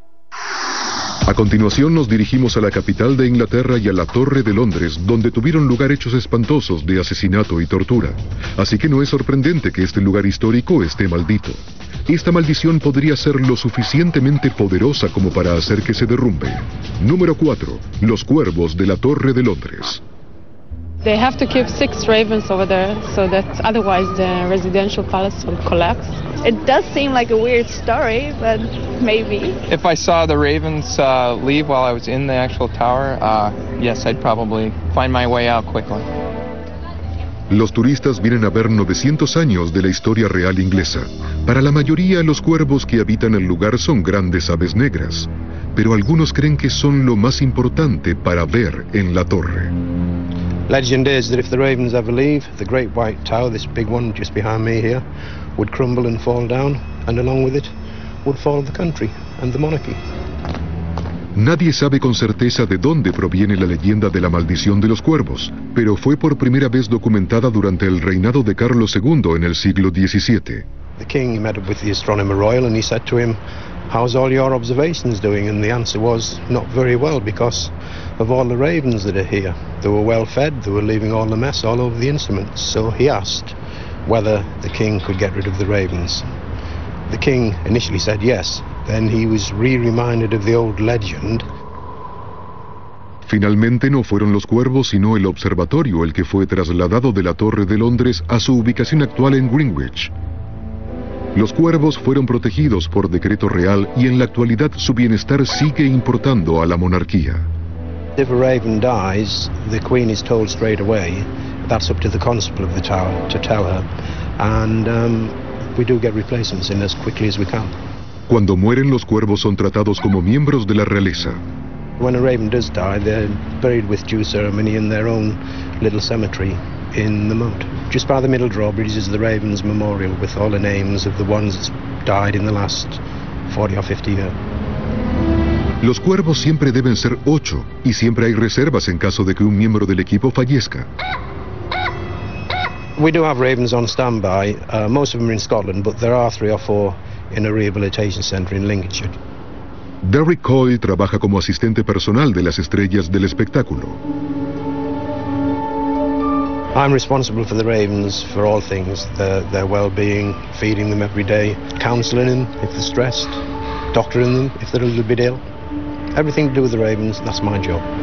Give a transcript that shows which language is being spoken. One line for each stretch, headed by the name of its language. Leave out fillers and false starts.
Spanish: A continuación, nos dirigimos a la capital de Inglaterra y a la Torre de Londres, donde tuvieron lugar hechos espantosos de asesinato y tortura. Así que no es sorprendente que este lugar histórico esté maldito. Esta maldición podría ser lo suficientemente poderosa como para hacer que se derrumbe. Número 4. Los cuervos de la Torre de Londres.
English: They have to keep 6 ravens over there, so that otherwise the residential palace will collapse. It does seem like a weird story, but maybe. If I saw the ravens leave while I was in the actual tower, yes, I'd probably find my way out quickly.
Spanish: Los turistas vienen a ver 900 años de la historia real inglesa. Para la mayoría, los cuervos que habitan el lugar son grandes aves negras. Pero algunos creen que son lo más importante para ver en la torre.
English: Legend is that if the ravens ever leave, the great white tower, this big one just behind me here, would crumble and fall down, and along with it would fall the country and the monarchy.
Spanish: Nadie sabe con certeza de dónde proviene la leyenda de la maldición de los cuervos, pero fue por primera vez documentada durante el reinado de Carlos II en el siglo XVII.
English: The king met with the astronomer royal and he said to him, how's all your observations doing? And the answer was, not very well, because of all the ravens that are here. They were well fed, they were leaving all the mess all over the instruments. So he asked, whether the king could get rid of the ravens. The king initially said yes, then he was reminded of the old legend.
Spanish: Finalmente no fueron los cuervos sino el observatorio el que fue trasladado de la Torre de Londres a su ubicación actual en Greenwich. Los cuervos fueron protegidos por decreto real y en la actualidad su bienestar sigue importando a la monarquía.
English: If a raven dies, the queen is told straight away. That's up to the constable of the tower to tell her. And we do get replacements in as quickly as we can.
Spanish: Cuando mueren los cuervos son tratados como miembros de la realeza.
English: When a raven does die, they're buried with due ceremony in their own little cemetery in the moat. Just by the middle drawbridge is the raven's memorial with all the names of the ones that's died in the last 40 or 50 years.
Spanish: Los cuervos siempre deben ser 8, y siempre hay reservas en caso de que un miembro del equipo fallezca.
English: We do have ravens on standby. Most of them are in Scotland, but there are 3 or 4 in a rehabilitation center in Lincolnshire.
Spanish: Derek Coyle trabaja como asistente personal de las estrellas del espectáculo.
English: I'm responsible for the ravens, for all things, their well-being, feeding them every day, counseling them if they're stressed, doctoring them if they're a little bit ill. Everything to do with the ravens, that's my job.